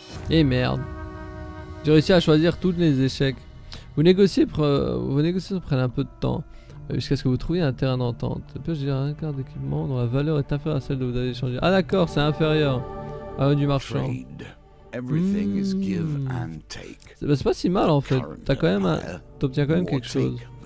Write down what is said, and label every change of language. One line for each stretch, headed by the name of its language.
French: Et merde. J'ai réussi à choisir tous les échecs. Vos négociations prennent un peu de temps. Jusqu'à ce que vous trouviez un terrain d'entente. Peut-être que j'ai un quart d'équipement dont la valeur est inférieure à celle que vous avez échangé. Ah d'accord, c'est inférieur à du marchand.
English: Everything is give and take.
French: C'est pas si mal en fait. T'as quand même t'obtiens quand même quelque chose.